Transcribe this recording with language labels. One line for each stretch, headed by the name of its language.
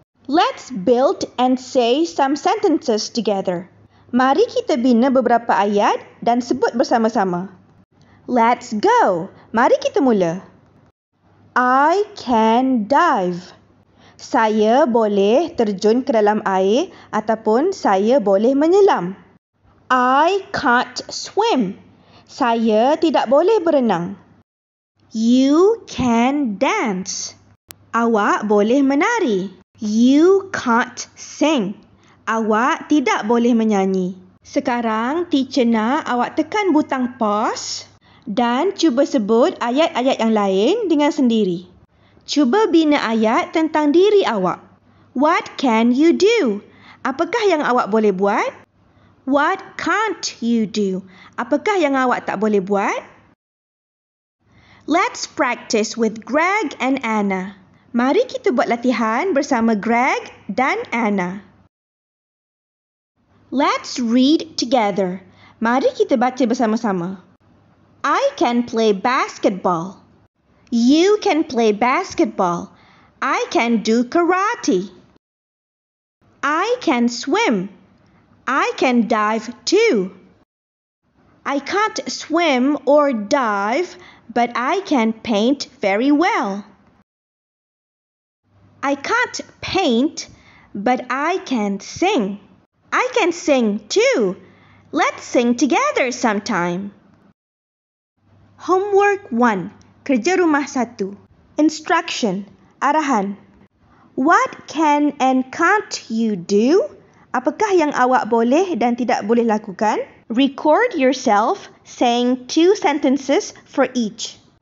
English: Let's build and say some sentences together.
Malay: Mari kita bina beberapa ayat dan sebut bersama-sama.
English: Let's go.
Malay: Mari kita mula.
English: I can dive.
Malay: Saya boleh terjun ke dalam air ataupun saya boleh menyelam.
English: I can't swim.
Malay: Saya tidak boleh berenang.
English: You can dance.
Malay: Awak boleh menari.
English: You can't sing.
Malay: Awak tidak boleh menyanyi. Sekarang, teacher nak awak tekan butang pause dan cuba sebut ayat-ayat yang lain dengan sendiri. Cuba bina ayat tentang diri awak.
English: What can you do?
Malay: Apakah yang awak boleh buat?
English: What can't you do?
Malay: Apakah yang awak tak boleh buat?
English: Let's practice with Greg and Anna.
Malay: Mari kita buat latihan bersama Greg dan Anna.
English: Let's read together.
Malay: Mari kita baca bersama-sama.
English: I can play basketball. You can play basketball. I can do karate. I can swim. I can dive too. I can't swim or dive, but I can paint very well. I can't paint, but I can sing. I can sing too. Let's sing together sometime.
Malay: Homework 1. Kerja rumah 1. Instruction. Arahan.
English: What can and can't you do?
Malay: Apakah yang awak boleh dan tidak boleh lakukan?
English: Record yourself saying 2 sentences for each.